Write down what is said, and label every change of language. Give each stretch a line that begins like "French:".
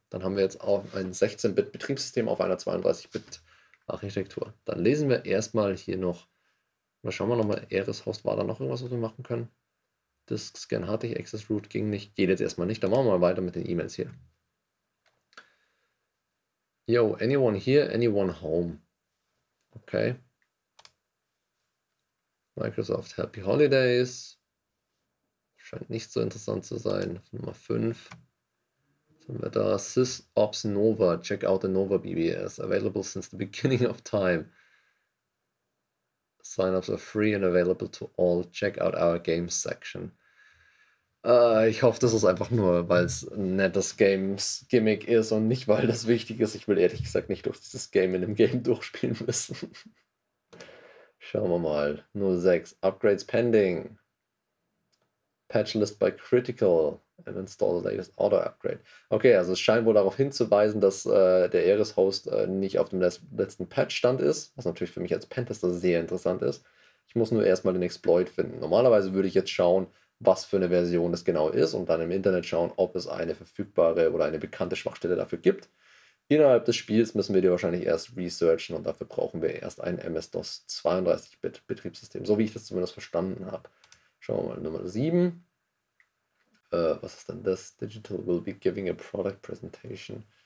German: Dann haben wir jetzt auch ein 16-Bit-Betriebssystem auf einer 32-Bit-Architektur. Dann lesen wir erstmal hier noch, mal schauen wir nochmal, Aris Host, war da noch irgendwas, was wir machen können? Disk Scan hatte ich, Access Root ging nicht, geht jetzt erstmal nicht. Dann machen wir mal weiter mit den E-Mails hier.
English: Yo, anyone here, anyone home. Okay. Microsoft Happy Holidays.
German: Scheint nicht so interessant zu sein. Nummer 5. Was haben wir da? SysOps Nova.
English: Check out the Nova BBS. Available since the beginning of time. Sign-ups are free and available to all. Check out our Games Section.
German: Ich hoffe, das ist einfach nur, weil es ein nettes Games-Gimmick ist und nicht, weil das wichtig ist. Ich will ehrlich gesagt nicht durch dieses Game in einem Game durchspielen müssen. Schauen wir mal.
English: 06. Upgrades pending. Patchlist by Critical. And install the latest Auto-Upgrade.
German: Okay, also es scheint wohl darauf hinzuweisen, dass der Aeris-Host nicht auf dem letzten Patch-Stand ist. Was natürlich für mich als Pentester sehr interessant ist. Ich muss nur erstmal den Exploit finden. Normalerweise würde ich jetzt schauen, was für eine Version das genau ist und dann im Internet schauen, ob es eine verfügbare oder eine bekannte Schwachstelle dafür gibt. Innerhalb des Spiels müssen wir die wahrscheinlich erst researchen und dafür brauchen wir erst ein MS-DOS 32-Bit-Betriebssystem, so wie ich das zumindest verstanden habe. Schauen wir mal, Nummer 7. Was ist denn das?
English: Digital will be giving a product presentation.